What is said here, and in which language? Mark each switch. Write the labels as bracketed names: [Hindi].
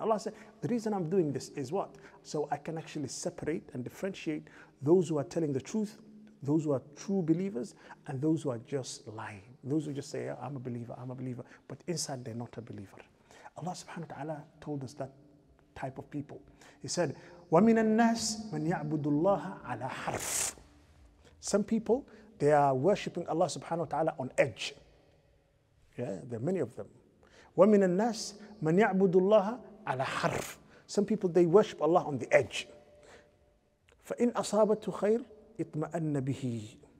[English] Allah said, the reason I'm doing this is what? So I can actually separate and differentiate those who are telling the truth, those who are true believers, and those who are just lying. Those who just say, yeah, I'm a believer. But inside, they're not a believer. Allah subhanahu wa ta'ala told us that type of people. He said, [Arabic] وَمِنَ النَّاسِ مَنْ يَعْبُدُ اللَّهَ عَلَى حَرْفٍ. [English] Some people, they are worshipping Allah subhanahu wa ta'ala on edge. Yeah, there are many of them. [Arabic] وَمِنَ النَّاسِ مَنْ يَعْبُدُ اللَّهَ عَلَى حَرْفٍ. [English] Some people, they worship Allah on the edge. [Arabic] فَإِنْ أَصَابَتُ خَيْرٍ اطْمَأَنَّ بِهِ.